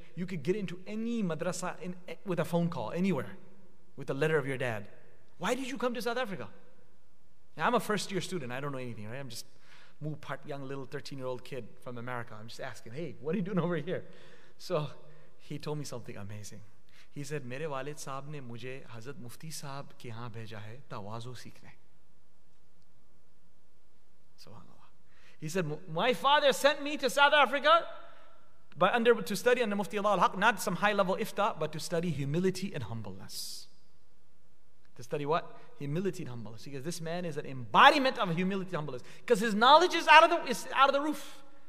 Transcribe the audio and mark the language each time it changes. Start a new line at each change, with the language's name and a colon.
English: You could get into any madrasa with a phone call, anywhere, with a letter of your dad. Why did you come to South Africa? Now, I'm a first-year student. I don't know anything, right? I'm just moo part young little 13-year-old kid from America. I'm just asking, hey, what are you doing over here? So he told me something amazing. He said,
Urdu: "میرے والد صاحب نے مجھے حضرت مفتی صاحب کے ہاں بھیجا ہے تواضع سیکھنے۔"
Arabic: Subhanallah.
English: He said, "My father sent me to South Africa to study under Mufti Allah al-Haq, not some high level ifta, but to study humility and humbleness." To study what? Humility and humbleness. Because this man is an embodiment of humility and humbleness. Because his knowledge is out of the roof.